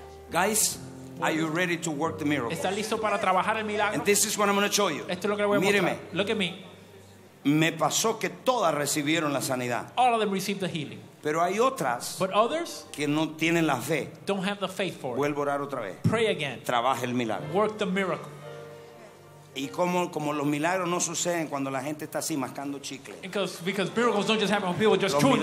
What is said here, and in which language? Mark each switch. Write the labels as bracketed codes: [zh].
[en] Guys, are you ready to work the miracle? [es] ¿Está listo para trabajar el milagro? [en] And this is what I'm going to show you. [es] Esto es lo que le voy a mostrar. Míreme. [en] Look at me. [es] Me pasó que todas recibieron la sanidad. [en] All of them received the healing. [es] Pero hay otras que no tienen la fe. [en] Don't have the faith for it. [es] Vuelvo a orar otra vez. [en] Pray again. [es] Trabaja el milagro. [en] Work the miracle. [es] Y como los milagros no suceden cuando la gente está así mascando chicle. [en] Because miracles don't just happen when people just chewing gum.